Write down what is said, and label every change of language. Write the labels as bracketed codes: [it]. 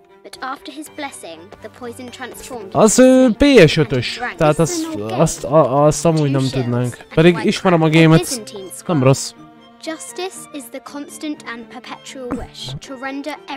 [en] But after his blessing, the poison transformed. [hu] Az PS5-ös. Tehát azt amúgy nem tudnánk. Pedig ismerem a gémet. Nem rossz. [en] Justice is the constant and perpetual wish to render everyone.